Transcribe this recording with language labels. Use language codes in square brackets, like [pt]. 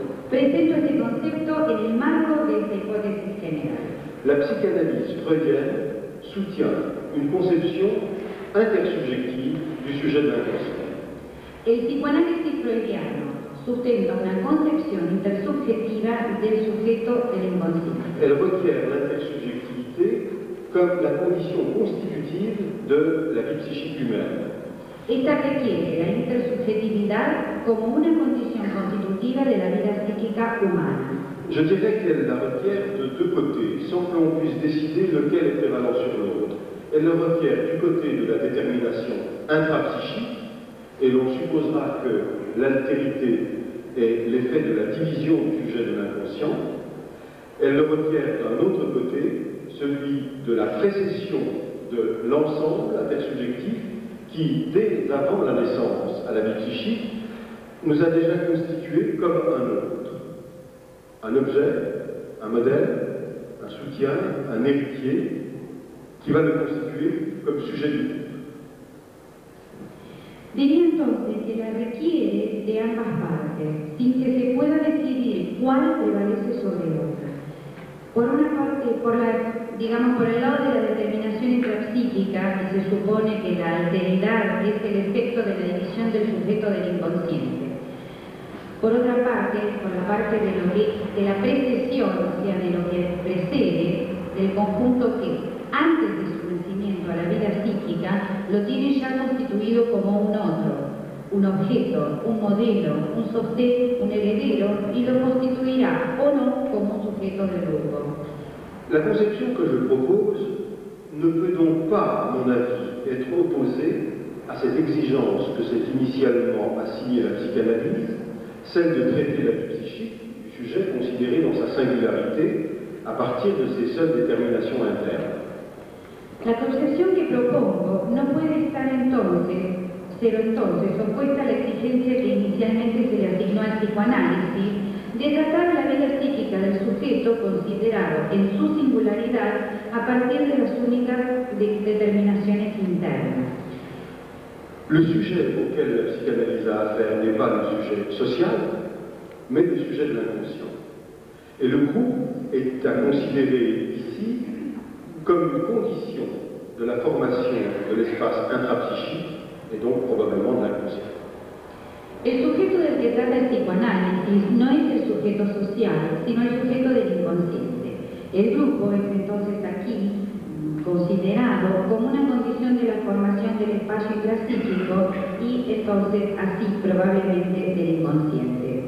[es] Presento este concepto en el marco de esta hipótesis general. [fr] La psicanálisis freudienne soutient une conception intersubjective du sujet de l'inconscient. [es] El psicoanálisis freudiano sustenta una concepción intersubjetiva del sujeto del inconsciente. [fr] Elle requiert l'intersubjectivité comme la condition constitutive de la vie psychique humaine. [es] Esta requiere la intersubjetividad como una condición constitutiva de la vida psíquica humana. [fr] Je dirais qu'elle la requiert de deux côtés, sans que l'on puisse décider lequel est prévalent sur l'autre. Elle le requiert du côté de la détermination intrapsychique, et l'on supposera que l'altérité est l'effet de la division du sujet de l'inconscient. Elle le requiert d'un autre côté, celui de la précession de l'ensemble intersubjectif, qui, dès avant la naissance à la vie psychique, nous a déjà constitué comme un autre. Un objet, un modèle, un soutien, un héritier, qui va nous constituer comme sujet du groupe. [es] Diría entonces que la requiere de ambas partes, sin que se pueda decidir cuál prevalece sobre la otra. Por una parte, por el lado de la determinación intrapsíquica, que se supone que la alteridad es el efecto de la división del sujeto del inconsciente. Por otra parte, por la parte de lo que de la precesión, o sea, de lo que precede, del conjunto que, antes de su nacimiento a la vida psíquica, lo tiene ya constituido como un otro, un objeto, un modelo, un sostén, un heredero, y lo constituirá o no como un sujeto del grupo. [fr] La conception que je propose ne peut donc pas, à mon avis, être opposée à cette exigence que s'est initialement assignée la psychanalyse, celle de traiter la vie psychique du sujet considéré dans sa singularité à partir de ses seules déterminations internes. La conception [es] que propongo [fr] ne peut [es] estar entonces opuesta a la exigencia que inicialmente se le asignó al psicoanálisis. De tratar la vida psíquica del sujeto considerado en su singularidad a partir de las únicas determinaciones internas. [fr] Le sujet auquel la psychanalyse a affaire n'est pas le sujet social, mais le sujet de l'inconscient. Et le groupe est à considérer ici comme une condition de la formation de l'espace intrapsychique et donc probablement de l'inconscient. [es] El sujeto del que trata el psicoanálisis no es el sujeto social, sino el sujeto del inconsciente. El grupo es entonces aquí considerado como una condición de la formación del espacio intrapsíquico y entonces así probablemente del inconsciente.